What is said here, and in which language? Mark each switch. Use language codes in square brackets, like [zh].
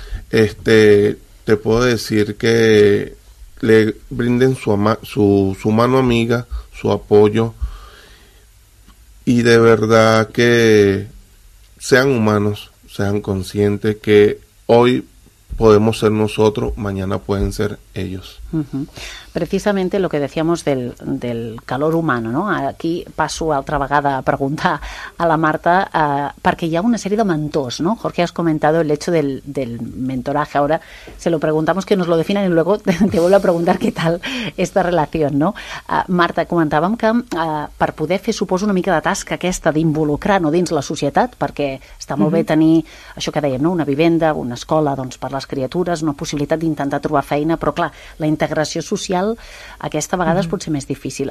[es] Te puedo decir que le brinden su mano amiga, su apoyo, y de verdad que sean humanos, sean conscientes que hoy podemos ser nosotros, mañana pueden ser ellos. Precisamente lo que decíamos del calor humano, ¿no? [ca] Aquí paso altra vegada a preguntar a la Marta, perquè hi ha una sèrie de mentors, ¿no? [es] Jorge, has comentado el hecho del mentoraje. Ahora se lo preguntamos que nos lo definan y luego te vuelvo a preguntar qué tal esta relación, ¿no? [ca] Marta, comentàvem que per poder fer, suposo, una mica de tasca aquesta d'involucrar, ¿no?, dins la societat, perquè està molt bé tenir això que dèiem, ¿no?, una vivenda, una escola, doncs, per les criatures, una possibilitat d'intentar trobar feina, però clar, la integració social aquesta vegada pot ser més difícil.